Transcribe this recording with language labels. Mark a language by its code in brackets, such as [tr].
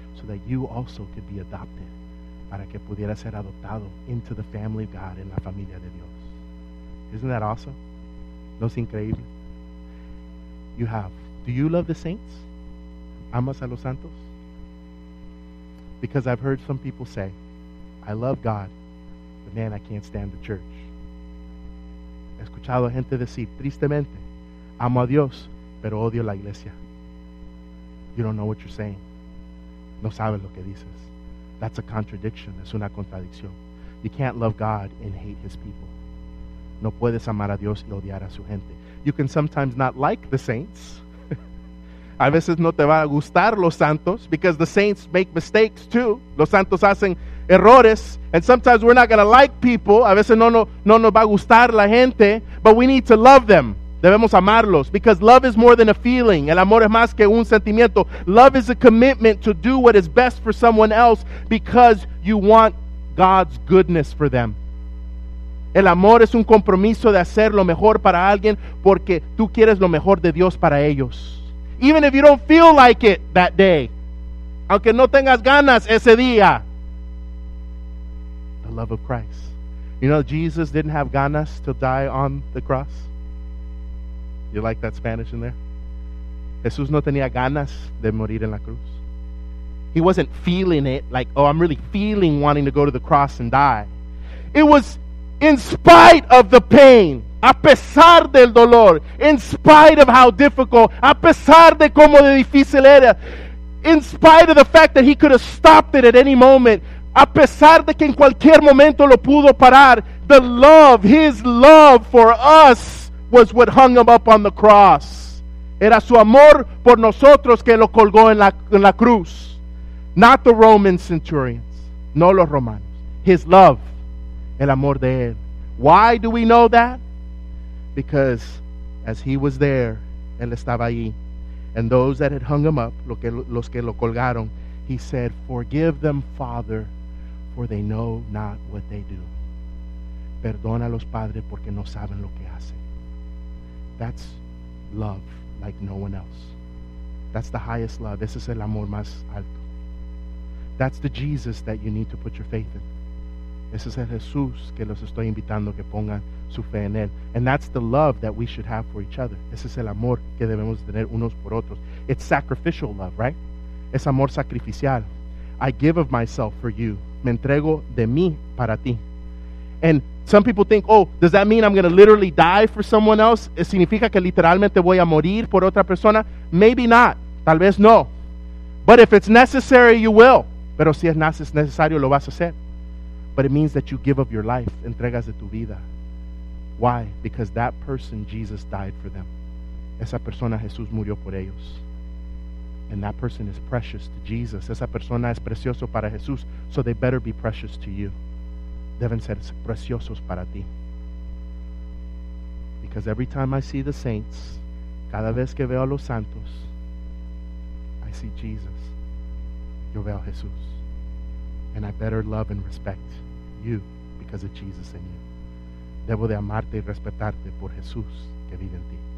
[en] So that you also could be adopted. [es] Para que pudiera ser adoptado [en] into the family of God, [es] en la familia de Dios. [en] Isn't that awesome? [es] ¿No es increíble? [en] You have. Do you love the saints? [es] ¿Amas a los santos? [en] Because I've heard some people say, I love God, but man, I can't stand the church. [es] He escuchado gente decir, tristemente, amo a Dios, pero odio la iglesia. [en] You don't know what you're saying. [es] No sabes lo que dices. [en] That's a contradiction. [es] Es una contradicción. [en] You can't love God and hate his people. [es] No puedes amar a Dios y odiar a su gente. [en] You can sometimes not like the saints. [es] A veces no te va a gustar los santos [en] because the saints make mistakes too. [es] Los santos hacen errores. [en] And sometimes we're not going to like people. [es] A veces no nos va a gustar la gente. [en] But we need to love them. [es] Debemos amarlos, [en] because love is more than a feeling. [es] El amor es más que un sentimiento. [en] Love is a commitment to do what is best for someone else because you want God's goodness for them. [es] El amor es un compromiso de hacer lo mejor para alguien porque tú quieres lo mejor de Dios para ellos. [en] Even if you don't feel like it that day, [es] aunque no tengas ganas ese día. [en] The love of Christ. You know, Jesus didn't have ganas to die on the cross. You like that Spanish in there? [es] Jesús no tenía ganas de morir en la cruz. [en] He wasn't feeling it like, oh, I'm really feeling wanting to go to the cross and die. It was in spite of the pain, [es] a pesar del dolor, [en] in spite of how difficult, [es] a pesar de cómo difícil era, [en] in spite of the fact that he could have stopped it at any moment, [es] a pesar de que en cualquier momento lo pudo parar, [en] the love, his love for us, was what hung him up on the cross. [es] Era su amor por nosotros que lo colgó en la cruz. [en] Not the Roman centurions. [es] No los romanos. [en] His love. [es] El amor de él. [en] Why do we know that? Because as he was there, [es] él estaba ahí. [en] And those that had hung him up, [es] los que lo colgaron, [en] he said, forgive them, Father, for they know not what they do. [es] Perdónalos, Padre, porque no saben lo que hacen. [en] That's love like no one else. That's the highest love. [es] Ese es el amor más alto. [en] That's the Jesus that you need to put your faith in. [es] Ese es el Jesús que los estoy invitando que pongan su fe en él. [en] And that's the love that we should have for each other. [es] Ese es el amor que debemos tener unos por otros. [en] It's sacrificial love, right? [es] Es amor sacrificial. [en] I give of myself for you. [es] Me entrego de mí para ti. [en] And some people think, oh, does that mean I'm going to literally die for someone else? [es] ¿Significa que literalmente voy a morir por otra persona? [en] Maybe not. [es] Tal vez no. [en] But if it's necessary, you will. [es] Pero si es necesario, lo vas a hacer. [en] But it means that you give up your life, [es] entregas de tu vida. [en] Why? Because that person, Jesus died for them. [es] Esa persona, Jesús murió por ellos. [en] And that person is precious to Jesus. [es] Esa persona es precioso para Jesús. [en] So they better be precious to you. [es] Deben ser preciosos para ti. [en] Because every time I see the saints, [es] cada vez que veo a los santos, [en] I see Jesus. [es] Yo veo a Jesús. [en] And I better love and respect you because of Jesus in you. [es] Debo de amarte y respetarte por Jesús que vive en ti.